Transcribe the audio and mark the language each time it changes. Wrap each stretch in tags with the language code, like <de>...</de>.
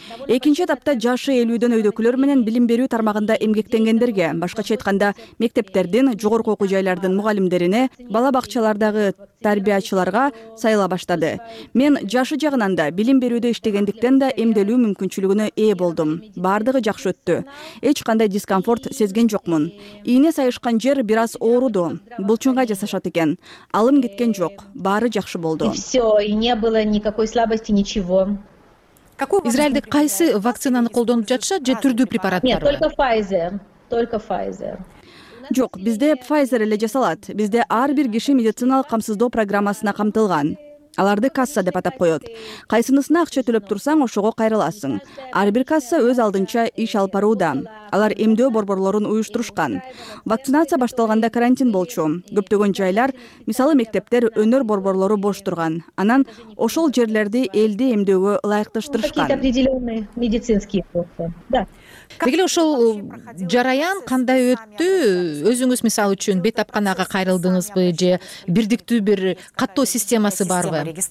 <ky>Экинчи этапта жашы 50 өйдөкүлөр менен билим берүү тармагында эмгектенгендерге, башкача айтканда мектептердин, жогорку окуу жайлардын мугалимдерине, бала бакчалардагы тарбиячыларга сайыла баштады. Мен жашы жагынан да, билим берүүдө иштегендиктен да эмделүү мүмкүнчүлүгүнө ээ болдум. Бардыгы жакшы өттү. Эч кандай дискомфорт сезген жокмун. Ийне сайышкан жер бир аз ооруду. Булчуңга жасашат экен. Алым кеткен жок. Баары жакшы болду.</ky> <ru>Все, и не было никакой слабости, ничего.</ru> <ky>Израилде кайсы вакцинаны колдонуп жатышат же түрдүү препараттар?</ky> <ru>Нет, только Pfizer.</ru> <ky>Жок, бизде Pfizer эле жасалат. Бизде ар бир киши медициналык камсыздоо программасына камтылган. Аларды касса деп атап коёт. Кайсынысына акча төлөп турсаң, ошого кайрыласың. Ар бир касса өз алдынча иш алып барууда. Алар эмдөө борборлорун уюштурушкан. Вакцинация башталганда карантин болчу. Көптөгөн жайлар, мисалы мектептер, өнөр борборлору бош турган. Анан ошол жерлерди элди эмдөөгө ылайыкташтырышкан. Бегиле ошол жараян кандай өттү? Өзүңүз мисалы үчүн бетапканага кайрылдыңызбы же бирдиктүү бир каттоо системасы барбы?</ky>